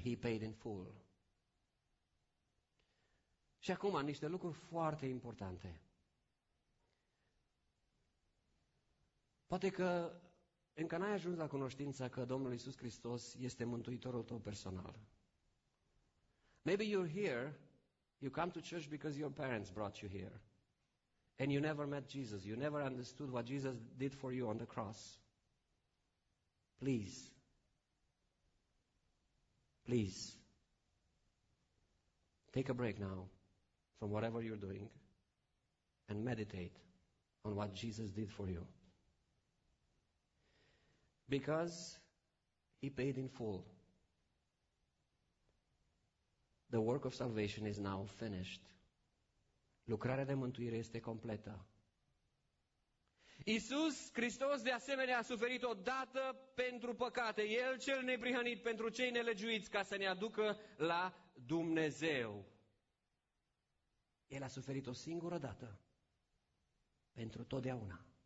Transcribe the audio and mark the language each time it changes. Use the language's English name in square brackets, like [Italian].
[English] He paid in full. [Romanian] Și acum niște lucruri foarte importante. Poate că încă n-ai ajuns la cunoștința că Domnul Iisus Hristos este mântuitorul tău personal. [English] Maybe you're here, you come to church because your parents brought you here. And you never met Jesus, you never understood what Jesus did for you on the cross. Please. Please. Take a break now from whatever you're doing and meditate on what Jesus did for you. Because he paid in full. The work of salvation is now finished. [Romanian] Lucrarea de mântuire este completă. Iisus Hristos de asemenea a suferit o dată pentru păcate. El cel neprihănit pentru cei nelegiuiți ca să ne aducă la Dumnezeu. El a suferit o singură dată pentru totdeauna.